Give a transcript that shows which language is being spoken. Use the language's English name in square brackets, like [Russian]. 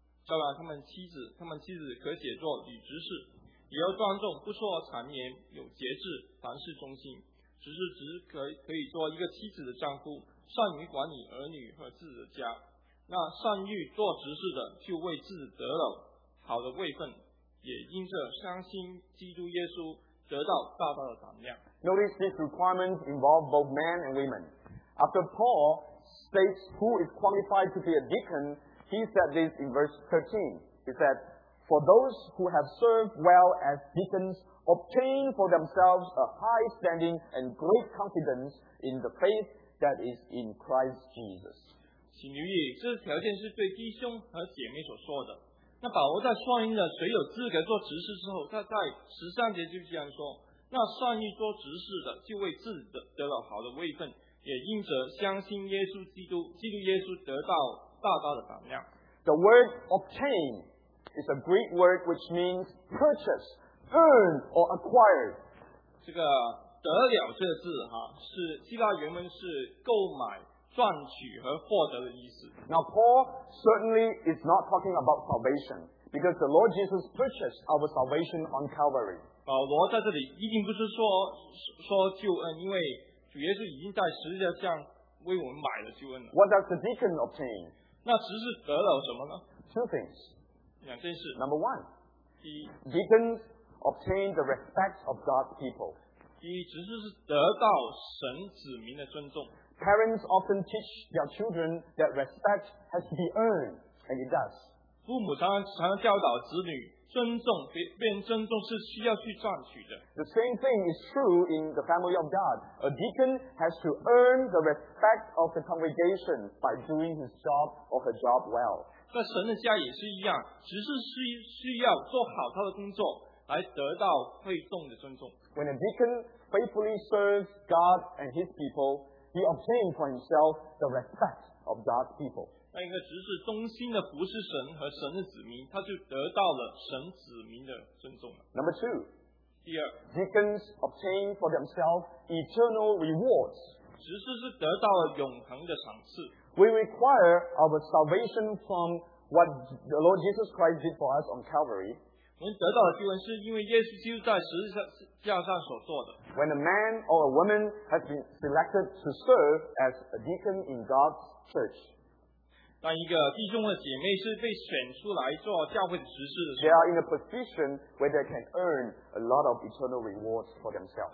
[Chinese] 照样，他们妻子可写作女执事，也要庄重，不说谗言，有节制，凡事忠心。执事只可以做一个妻子的丈夫，善于管理儿女和自己的家。那善于做执事的，就为自己得了好的位分，也因着相信基督耶稣，得到大大的胆量。 [English] Notice these requirements involve both men and women. After Paul states who is qualified to be a deacon, he said this in verse 13. He said, "For those who have served well as deacons, obtain for themselves a high standing and great confidence in the faith that is in Christ Jesus." [Chinese] 请留意，这个条件是对弟兄和姐妹所说的。那保罗在说明了谁有资格做执事之后，他在十三节就这样说：那善于做执事的，就为自己得了好的位分，也因着相信耶稣基督，基督耶稣得到大大的胆量。 [English] The word obtain is a Greek word which means purchase, earn or acquire. [Chinese] 这个得了这个字哈，是希腊原文是购买。赚取和获得的意思。 [English] Now Paul certainly is not talking about salvation, because the Lord Jesus purchased our salvation on Calvary. [Chinese] 保罗在这里一定不是说救恩，因为主耶稣已经在十字架上为我们买了救恩了。 [English] What does the deacon obtain? [Chinese] 那执事得了什么呢？ [English] Two things. [Chinese] 两件事。 [English] Number one. [Chinese] 第一 [English] ，deacons obtain the respect of God's people. [Chinese] 第一，执事是得到神子民的尊重。 [English] Parents often teach their children that respect has to be earned, and it does. [Chinese] 父母常常教导子女尊重，被尊重是需要去赚取的。 [English] The same thing is true in the family of God. A deacon has to earn the respect of the congregation by doing his job or her job well. [Chinese] 在神的家也是一样，只是需要做好他的工作，来得到会众的尊重。 [English] When a deacon faithfully serves God and his people,He obtained for himself the respect of God's people. [Chinese] 那一个执事忠心的服侍神和神的子民，他就得到了神子民的尊重了。 [English] Number two, [Chinese] 第二 [English] deacons obtain for themselves eternal rewards [Chinese] 实质是得到了永恒的赏赐。 [English] We require our salvation from what the Lord Jesus Christ did for us on Calvary. [Chinese] 我们得到的救恩是因为耶稣基督在十字架上所做的。 [English] When a man or a woman has been selected to serve as a deacon in God's church. [Chinese] 当一个弟兄或姐妹是被选出来做教会的执事的时候， [English] they are in a position where they can earn a lot of eternal rewards for themselves.